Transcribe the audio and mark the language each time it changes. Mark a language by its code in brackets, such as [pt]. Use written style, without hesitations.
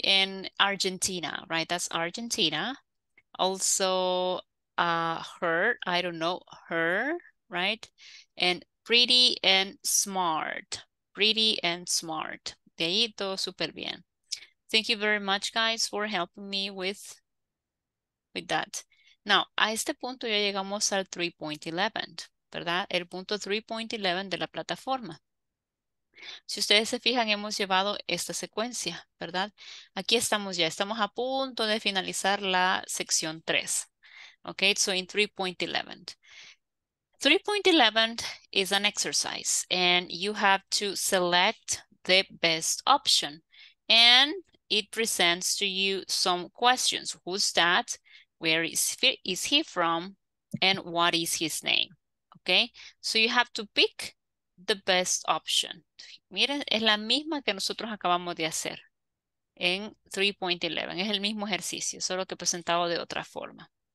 [en] In Argentina, right? That's Argentina. Also, her, I don't know, her, right? And pretty and smart. Pretty and smart. [es] De ahí todo súper bien. [en] Thank you very much, guys, for helping me with that. [es] Now, a este punto ya llegamos al 3.11, ¿verdad? El punto 3.11 de la plataforma. Si ustedes se fijan, hemos llevado esta secuencia, ¿verdad? Aquí estamos ya, estamos a punto de finalizar la sección 3. [en] Okay, so in 3.11. 3.11 is an exercise and you have to select the best option. And it presents to you some questions. Who's that? Where is he from? And what is his name? Okay, so you have to pick the best option. [es] Miren, es la misma que nosotros acabamos de hacer en 3.11. Es el mismo ejercicio, solo que presentado de otra forma.